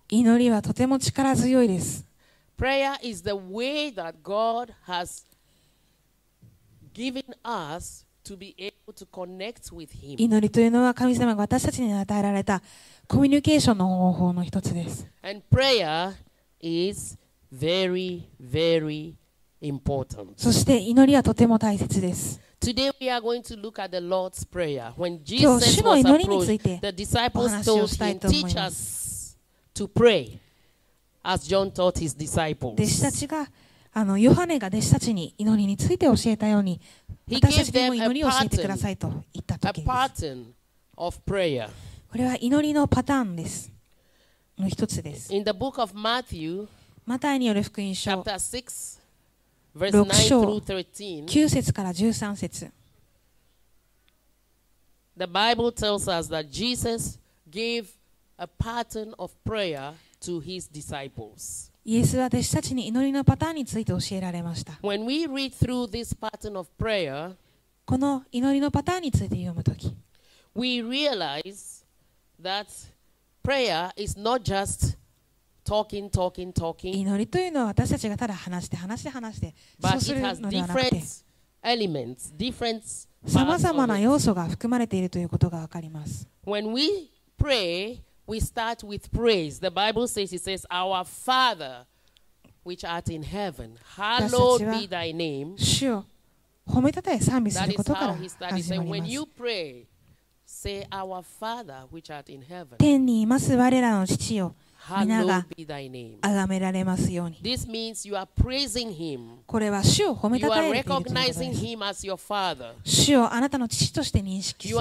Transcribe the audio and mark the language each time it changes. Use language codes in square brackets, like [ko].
[ja] 祈りはとても力強いです。 [en] Prayer is the way that God has given us to be able to connect with Him. [ja] 祈りというのは神様が私たちに与えられたコミュニケーションの方法の一つです。 [en] And prayer is very, very important. [ja] そして祈りはとても大切です。 [en] Today we are going to look at the Lord's prayer. When Jesus was approached, the disciples told him, "Teach us to pray," as John taught his disciples. [ja] 弟子たちがヨハネが弟子たちに祈りについて教えたように、私たちにも祈りを教えてくださいと言った時です。 [en] A pattern of prayer. [ja] これは祈りのパターンです。の一つです。 [en] In the book of Matthew, [ja] マタイによる福音書 [en] chapter 6. 6 [ja] 章9節から13節。 [en] The Bible tells us that Jesus gave a pattern of prayer to his disciples. [ja] イエスは弟子たちに祈りのパターンについて教えられました。 [en] When we read through this pattern of prayer, [ja] この祈りのパターンについて読むとき、 [en] we realize that prayer is not just talking, talking, talking. [ja] 祈りというのは私たちがただ話して話して話して、そうするのではなくて、 [en] elements, different [ja] さまざまな要素が含まれているということがわかります。 [en] When we pray, we start with praise. The Bible says, it says, "Our Father, which art in heaven, hallowed be thy name." [ja] 主を褒めたたえ賛美することから始まります。 [en] When you pray, say, "Our Father, which art in heaven." [ja] 天にいます我らの父よ。皆があがめられますように。 [en] This means you are praising him. [ja] これは主を褒めたたえているということです。 [en] You are recognizing him as your father. [ja] 主をあなたの父として認識する。